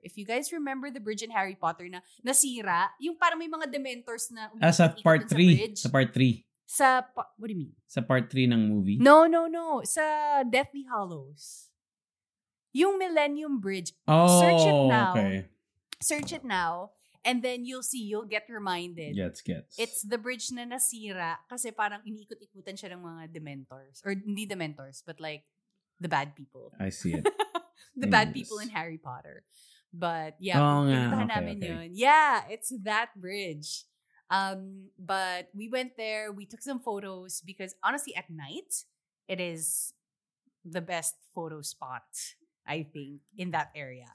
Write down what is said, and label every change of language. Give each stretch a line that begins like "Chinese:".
English: If you guys remember the bridge in Harry Potter
Filipino: na nasira, yung parang may mga dementors na sa part 3. Sa part 3.
English: Sa, what do you mean?
Filipino: Sa part 3 ng movie?
English: No, no, no. Sa Deathly Hallows. Yung Millennium Bridge. Oh, search it now. Okay. Search it now. And then you'll see, you'll get reminded.
Filipino: Gets, gets.
English: It's the bridge
Filipino: na nasira kasi parang iniikot-ikutan siya ng mga dementors.
English: Or hindi dementors, but like the bad people. I see it. The bad people in Harry Potter. But yeah, okay. Yeah, it's that bridge. But we went there, we took some photos because honestly, at night, it is the best photo spot, I think, in that area.